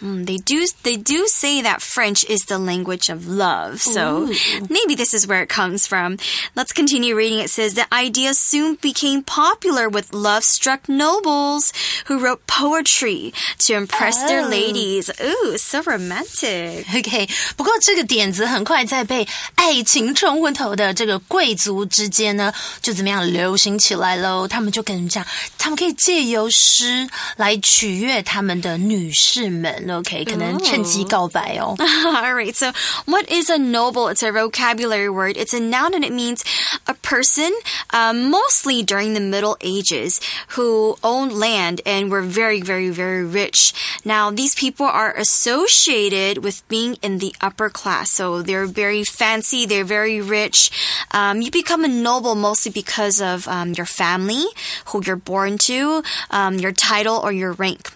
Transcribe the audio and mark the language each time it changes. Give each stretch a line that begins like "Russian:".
English: they do say that French is the language of love so、Ooh. Maybe this is where it comes from. Let's continue reading. It says the idea soon became popular with love struck nobles who wrote poetry to impress、their ladies. Ooh, so romantic.
Chinese: Okay, 不过这个点子很快在被爱情冲昏头的这个贵族之间呢就怎么样流行起来咯他们就跟人讲他们可以借由诗来取悦他们的女士们 OK 可能趁机告白哦
English: Alright, so what is a noble? It's a vocabulary word. It's a noun and it means a person、mostly during the Middle Ages who owned land and were very, very, very rich. Now, these people are associated with being in the upper class. So they're very fancy, they're very rich. You become a noble mostly because of your family, who you're born to, your title or your rank.